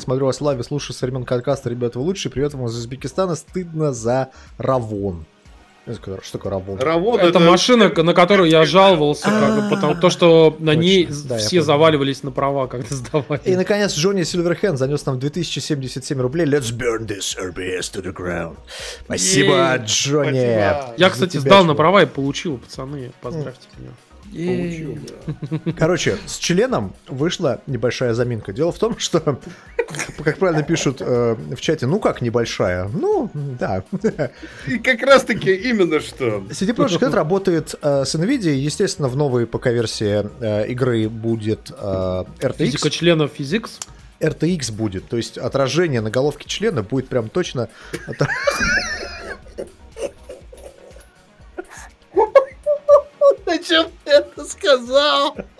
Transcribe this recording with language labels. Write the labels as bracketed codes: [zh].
[ru] Смотрю вас лайв, слушаю со времен подкаста. Ребята, вы лучшие. Привет вам из Узбекистана. Стыдно за Равон. Что такое Равон? Это машина, на которую я жаловался, потому что на ней все заваливались на права, когда сдавали. И, наконец, Джонни Сильверхенд занес нам 2077 рублей. [en] Let's burn this RBS to the ground. [ru] Спасибо, Джонни. Я, кстати, сдал на права и получил, пацаны. Поздравьте меня. Получил. Короче, с членом вышла небольшая заминка. Дело в том, что, как правильно пишут в чате, ну как небольшая? Ну, да. И как раз таки именно что. CD Projekt Red работает с NVIDIA. Естественно, в новой ПК-версии игры будет RTX. Физика членов физикс? RTX будет. То есть отражение на головке члена будет прям точно... Зачем ты это сказал?